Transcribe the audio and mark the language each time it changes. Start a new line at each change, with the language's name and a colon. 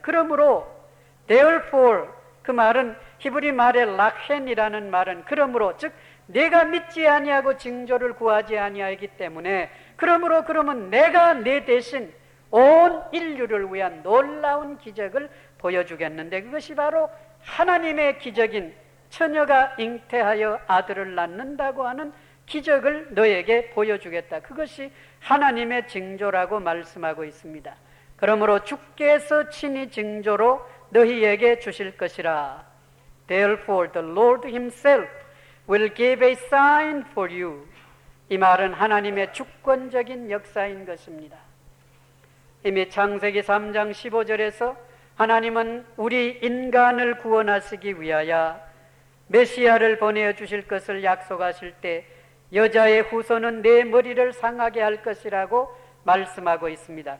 Korean: 그러므로 therefore 그 말은 히브리 말의 라헨이라는 말은 그러므로 즉 내가 믿지 아니하고 징조를 구하지 아니하기 때문에 그러므로 그러면 내가 내 대신 온 인류를 위한 놀라운 기적을 보여주겠는데 그것이 바로 하나님의 기적인 처녀가 잉태하여 아들을 낳는다고 하는 기적을 너에게 보여주겠다. 그것이 하나님의 징조라고 말씀하고 있습니다. 그러므로 주께서 친히 징조로 너희에게 주실 것이라.
English: Therefore the Lord himself will give a sign for you.
Korean: 이 말은 하나님의 주권적인 역사인 것입니다. 이미 창세기 3장 15절에서 하나님은 우리 인간을 구원하시기 위하여 메시아를 보내주실 것을 약속하실 때 여자의 후손은 내 머리를 상하게 할 것이라고 말씀하고 있습니다.